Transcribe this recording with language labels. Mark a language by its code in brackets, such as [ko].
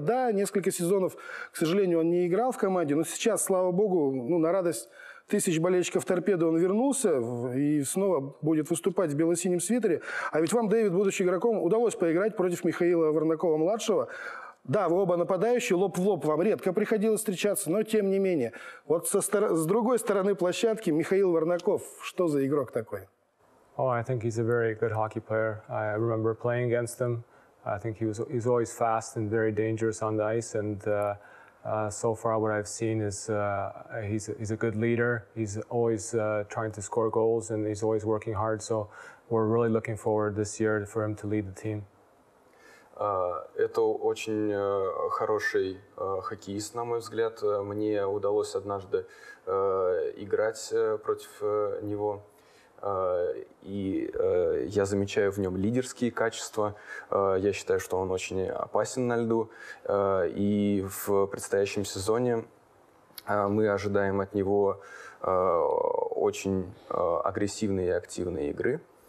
[ru] Да, несколько сезонов, к сожалению, он не играл в команде, но сейчас, слава богу, ну, на радость тысяч болельщиков «Торпедо» он вернулся и снова будет выступать в бело-синем свитере. А ведь вам, Дэвид, будучи игроком, удалось поиграть против Михаила Варнакова-младшего. Да, вы оба нападающие, лоб в лоб вам редко приходилось встречаться, но тем не менее. Вот с другой стороны площадки Михаил Варнаков, что за игрок такой? [en] Oh, I think he's a very good hockey player. I remember playing against him. I think he's always fast and very dangerous on the ice. And so far what I've seen is he's a good leader. He's always trying to score goals and he's always working hard. So we're really looking forward this year for him to lead the team. [ru] Это очень хороший хоккеист, на мой взгляд. Мне удалось однажды играть против него. И я замечаю в нем лидерские качества. Я считаю, что он очень опасен на льду. И в предстоящем сезоне мы ожидаем от него очень агрессивной и активной игры.